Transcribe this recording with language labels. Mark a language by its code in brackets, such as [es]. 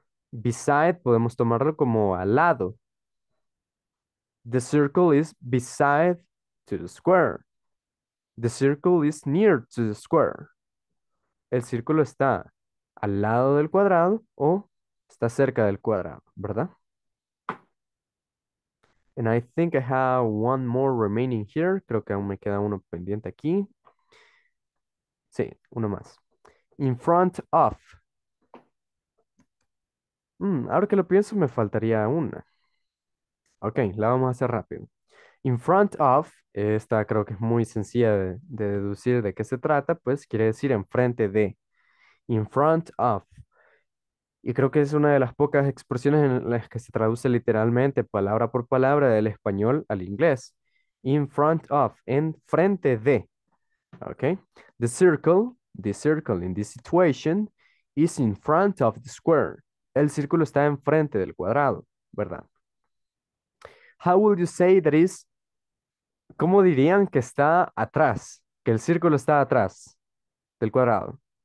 [en] Beside podemos tomarlo como al lado. The circle is beside to the square. The circle is near to the square. [es] El círculo está al lado del cuadrado o está cerca del cuadrado, ¿verdad? [en] And I think I have one more remaining here. [es] Creo que aún me queda uno pendiente aquí. Sí, uno más. In front of. Ahora que lo pienso, me faltaría una. Ok, la vamos a hacer rápido. In front of, esta creo que es muy sencilla de deducir de qué se trata, pues quiere decir enfrente de. In front of. Y creo que es una de las pocas expresiones en las que se traduce literalmente palabra por palabra del español al inglés. In front of, en frente de. Ok. [en] The circle in this situation is in front of the square. [es] El círculo está enfrente del cuadrado, ¿verdad? How would you say that is? ¿Cómo dirían que está atrás? Que el círculo está atrás del cuadrado.